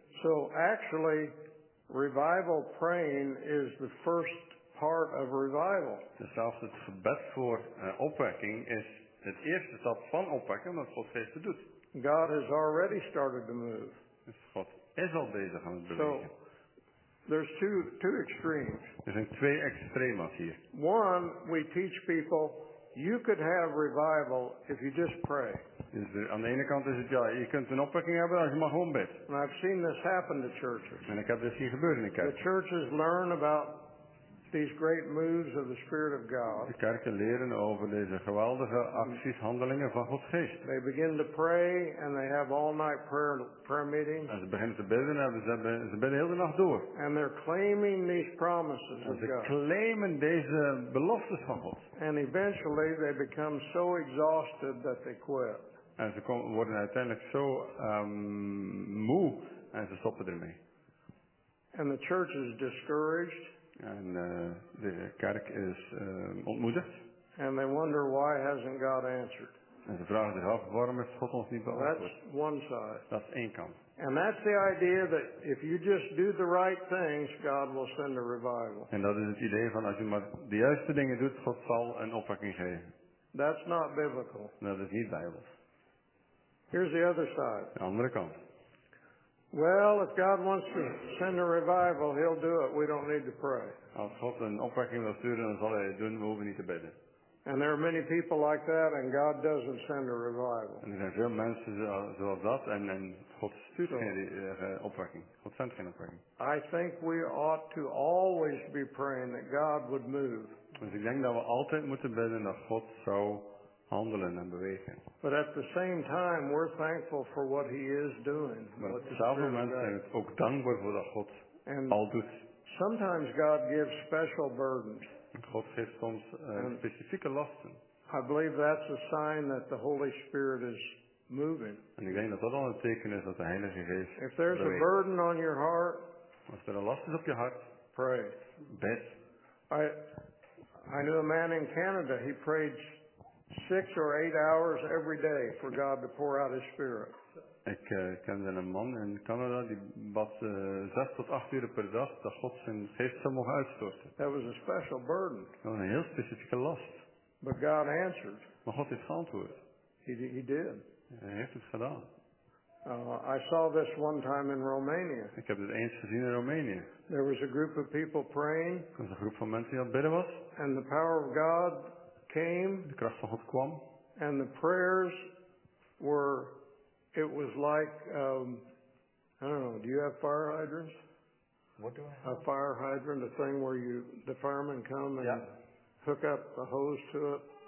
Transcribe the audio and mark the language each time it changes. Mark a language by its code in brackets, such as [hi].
[en] So actually, revival praying is the first part of revival. [nl] Dus zelfs het gebed voor opwekking is het eerste stap van opwekking dat God Geest doet. [en] God has already started to move. [nl] Is al bezig aan het bewegen. [en] So, there's two extremes. [nl] Er zijn twee extremas hier. [en] One, we teach people, you could have revival if you just pray. [nl] Dus aan de ene kant is het ja, je kunt een opwekking hebben als je maar gewoon bidt. [en] And I've seen this happen to churches. [nl] En ik heb dit zien gebeuren in de kerk. [en] The churches learn about these great moves of the Spirit of God. [nl] De kerken leren over deze geweldige acties, handelingen van Gods Geest. [en] They begin to pray and they have all night prayer meetings. [nl] En ze beginnen te bidden en ze bidden heel de nacht door. [en] And they're claiming these promises of God. [nl] Ze claimen deze beloftes van God. [en] And eventually they become so exhausted that they quit. [nl] En ze worden uiteindelijk zo moe en ze stoppen ermee. [en] And the church is discouraged. [nl] En de kerk is ontmoedigd. [en] And they wonder why hasn't God answered. [nl] En ze vragen zich af waarom heeft God ons niet beantwoord. [en] That's one side. [nl] Dat is één kant. [en] And that's the idea that if you just do the right things, God will send a revival. [nl] En dat is het idee van als je maar de juiste dingen doet, God zal een opwekking geven. [en] That's not biblical. [nl] Dat is niet bijbels. [en] Here's the other side. [nl] De andere kant. [en] Well, if God wants to send a revival, He'll do it. We don't need to pray. [nl] Als God een opwekking wil sturen, dan zal Hij het doen. We hoeven niet te bidden. [en] And there are many people like that, and God doesn't send a revival. [nl] En er zijn veel mensen zoals dat, en God stuurt geen opwekking. God zendt geen opwekking. [en] I think we ought to always be praying that God would move. [nl] Dus ik denk dat we altijd moeten bidden dat God zou handelen en bewegen. [en] But at the same time, we're thankful for what He is doing. [nl] Maar op hetzelfde moment zijn we ook dankbaar voor wat God al doet. [en] Sometimes God gives special burdens. [nl] God geeft soms specifieke lasten. [en] I believe that's a sign that the Holy Spirit is moving. [nl] En ik denk dat dat al een teken is dat de Heilige Geest. [en] If there's a burden on your heart, [nl] als er een last is op je hart, [en] pray. [nl] Bid. [en] I knew a man in Canada. He prayed 6 or 8 hours every day for God to pour out His Spirit. [nl] Ik kende een man in Canada die bad 6 tot 8 uur per dag dat God zijn geest zou mogen uitstorten. [en] That was a special burden. [nl] Dat was een heel specifieke last. [en] But God answered. [nl] Maar God heeft geantwoord. [en] He did. [nl] Hij heeft het gedaan. [en] I saw this one time in Romania. [nl] Ik heb dit eens gezien in Romania. [en] There was a group of people praying. [nl] Er was een groep van mensen die aan het bidden was. [en] And the power of God came. [nl] De kracht van God kwam. [en] And the prayers were, it was like, I don't know, do you have fire hydrants? What do I have? A fire hydrant, a thing where you, the firemen come and yeah. hook up the hose to it.